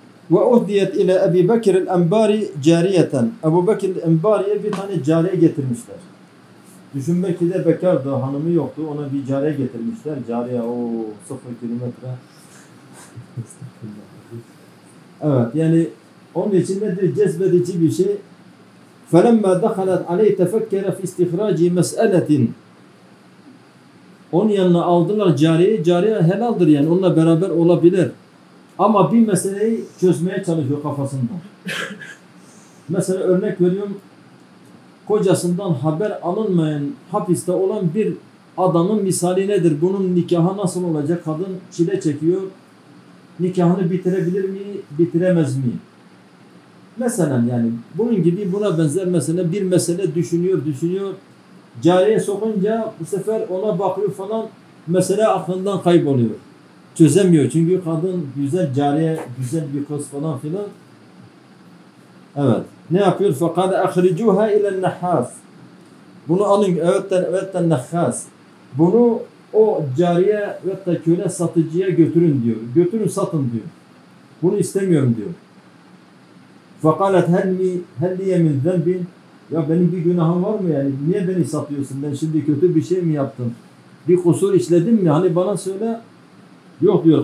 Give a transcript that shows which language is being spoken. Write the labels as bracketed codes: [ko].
[ar] وَاُهْدِيَتْ اِلَى اَبِي بَكِرِ الْاَنْبَارِ جَارِيَةً [tr] Ebu Bekir el-Enbari'ye bir tane cariye getirmişler. Düşünmek ki de bekardı, hanımı yoktu. Ona bir cariye getirmişler. Cariye o 0 kilometre. Evet yani onun için nedir? Cezbedici bir şey. [ar] فَلَمَّا دَخَلَتْ عَلَيْهِ تَفَكَّرَ فِي اِسْتِخْرَاجِ مَسْأَلَةٍ [tr] Onun yanına aldılar cariyeyi. Cariye helaldir yani onunla beraber olabilir. Ama bir meseleyi çözmeye çalışıyor kafasında. Mesela örnek veriyorum. Kocasından haber alınmayan hapiste olan bir adamın misali nedir? Bunun nikahı nasıl olacak? Kadın çile çekiyor. Nikahını bitirebilir mi? Bitiremez mi? Mesela yani bunun gibi buna benzer mesela bir mesele düşünüyor. Cariye sokunca bu sefer ona bakıyor falan mesele aklından kayboluyor. Çözemiyor çünkü kadın güzel cariye güzel bir kız falan filan. Evet. Ne yapıyor? [ar] فَقَالَ اَخْرِجُوهَا اِلَى النَّحَّاسِ [tr] Bunu alın. Evetten nehhas. Bunu o cariye ve de köle satıcıya götürün diyor. Götürün satın diyor. Bunu istemiyorum diyor. [ar] فَقَالَتْ هَلِّيَ مِنْ ذَنْبٍ [tr] Ya benim bir günahım var mı yani? Niye beni satıyorsun? Ben şimdi kötü bir şey mi yaptım? Bir kusur işledim mi? Hani bana söyle. Yok diyor.